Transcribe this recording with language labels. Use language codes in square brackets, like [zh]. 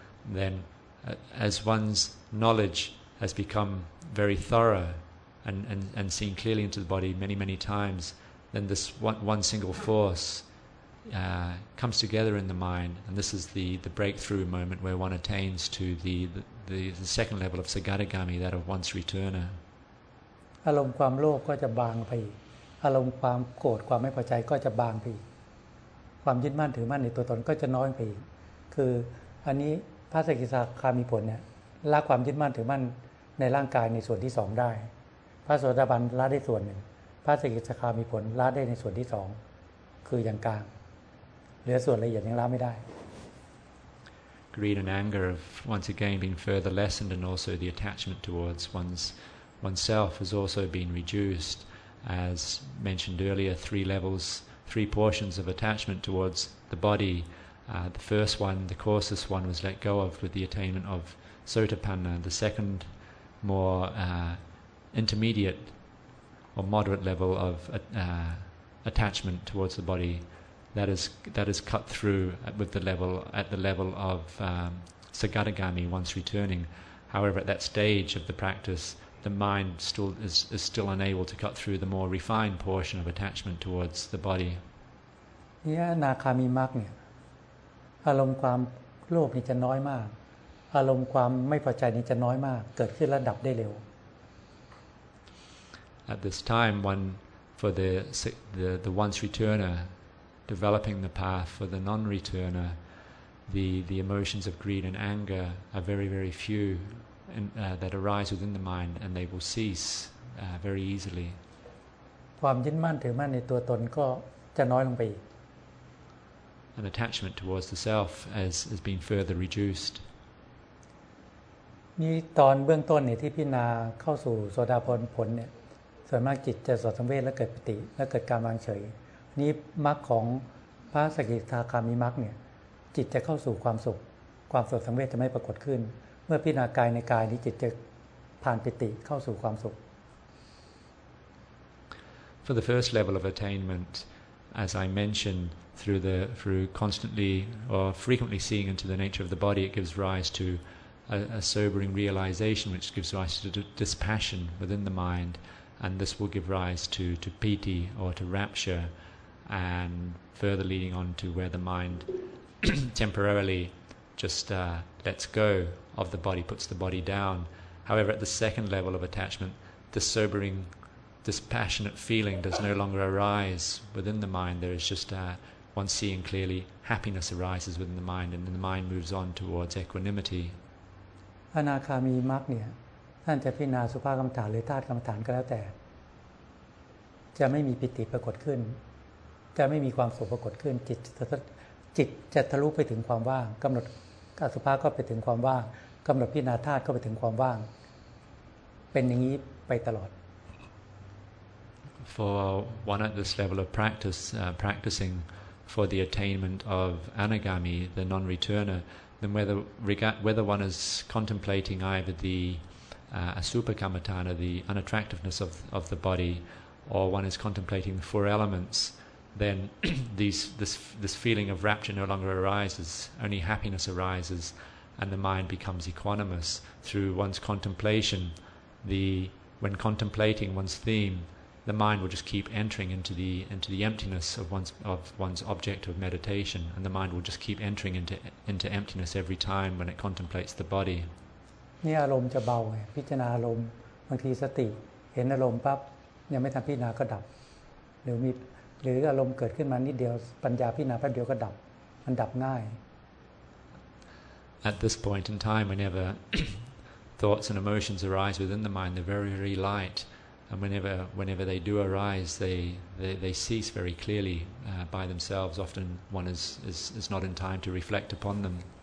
[en] Then as one's knowledge has become very thorough and seen clearly into the body many, many times, then this one single force comes together in the mind, and this is the breakthrough moment where one attains to the second level of Sagatagami, that of one's returner. [th] อารมณ์ความโลภก็จะบางไปอารมณ์ความโกรธความไม่พอใจก็จะบางไปความยึดมั่นถือมั่นในตัวตนก็จะน้อยไปคืออันนี้พระสกิทาคามีผลเนี่ยละความยึดมั่นถือมั่นในร่างกายในส่วนที่2ได้พระโสดาบันละได้ส่วนนึงพระสกิทาคามีผลละได้ในส่วนที่2คืออย่างกลางเหลือส่วนละเอียดยังละไม่ได้ [en] Greed and anger have once again been further lessened, and also the attachment towards oneself has also been reduced. As mentioned earlier, three levels, three portions of attachment towards the body. The first one, the coarsest one, was let go of with the attainment of Sotapanna. The second, more intermediate or moderate level of attachment towards the body, that is cut through at the level of Sagatagami, once returning. However, at that stage of the practice, the mind still is still unable to cut through the more refined portion of attachment towards the body. [th] Yeah, nakami mark เนี่ย อารมณ์ความโลภนี่จะน้อยมาก อารมณ์ความไม่พอใจนี่จะน้อยมาก เกิดขึ้นแล้วดับได้เร็ว [en] At this time, one for the once returner, developing the path for the non-returner, the emotions of greed and anger are very, very few. And that arise within the mind, and they will cease very easily. [th] ความยึดมั่นถือมั่นในตัวตนก็จะน้อยลงไป [en] An attachment towards the self has been further reduced. [th] นี่ตอนเบื้องต้นเนี่ยที่พิจารณาเข้าสู่โสดาปัตติผลเนี่ยส่วนมากจิตจะสอดสังเวชและเกิดปิติและเกิดการวางเฉยนี้มรรคของพระสกิทาคามีมรรคเนี่ยจิตจะเข้าสู่ความสุขความสอดสังเวชจะไม่ปรากฏขึ้นเมื่อพิจารณากายในกายนี้จิตจะผ่านปิติเข้าสู่ความสุข [en] For the first level of attainment, as I mentioned, through constantly or frequently seeing into the nature of the body, it gives rise to a sobering realization, which gives rise to dispassion within the mind, and this will give rise to piti or to rapture, and further leading on to where the mind temporarily just lets go of the body, puts the body down. However, at the second level of attachment, the sobering, dispassionate feeling does no longer arise within the mind. There is just one seeing clearly, happiness arises within the mind, and then the mind moves on towards equanimity. [th] อนาคามีมรรคเนี่ยท่านจะพิจารณาสุภากรรมฐานหรือธาตุกรรมฐานก็แล้วแต่จะไม่มีปิติปรากฏขึ้นจะไม่มีความสุขปรากฏขึ้นจิตจะทะลุไปถึงความว่างกำหนดอสุภะก็ไปถึงความว่างกำหนดพิจารณาธาตุก็ไปถึงความว่างเป็นอย่างนี้ไปตลอด [en] For one at this level of practice practicing for the attainment of anagami, the non-returner, then whether one is contemplating either the asupa kamatana, the unattractiveness of the body, or one is contemplating the four elements, then this feeling of rapture no longer arises, only happiness arises, and the mind becomes equanimous through one's contemplation. When contemplating one's theme, the mind will just keep entering into the emptiness of one's object of meditation, and the mind will just keep entering into emptiness every time when it contemplates the body. [th] นี่อารมณ์จะเบาไงพิจารณาอารมณ์บางทีสติเห็นอารมณ์ปั๊บยังไม่ทันพิจารณาก็ดับหรืออารมณ์เกิดขึ้นมานิดเดียวปัญญาพิจารณาแป๊บเดียวก็ดับมันดับง่าย [en] At this point in time, whenever thoughts and emotions arise within the mind, they're very, very light. And whenever they do arise, they cease very clearly by themselves. Often one is not in time to reflect upon them.